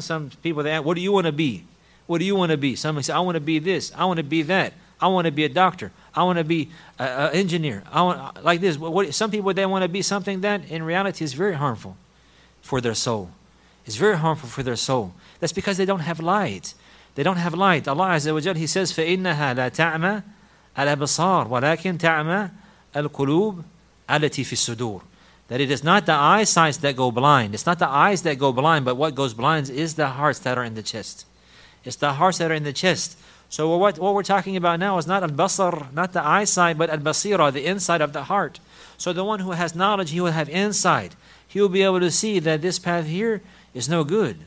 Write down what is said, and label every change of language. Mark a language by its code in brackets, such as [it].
[en] Some people, they ask, what do you want to be? What do you want to be? Somebody say, I want to be this. I want to be that. I want to be a doctor. I want to be an engineer. I want like this. Some people, they want to be something that in reality is very harmful for their soul. It's very harmful for their soul. That's because they don't have light. They don't have light. Allah Azza wa Jalla, he says, [ar] فَإِنَّهَا لَا تَعْمَى الْأَبْصَارِ وَلَكِنْ تَعْمَى الْقُلُوبِ الَّتِي فِي الصُّدُورِ. [en] That it is not the eyesights that go blind. It's not the eyes that go blind, but what goes blind is the hearts that are in the chest. It's the hearts that are in the chest. So what we're talking about now is not al-basar, not the eyesight, but al-basira, the inside of the heart. So the one who has knowledge, he will have insight. He will be able to see that this path here is no good.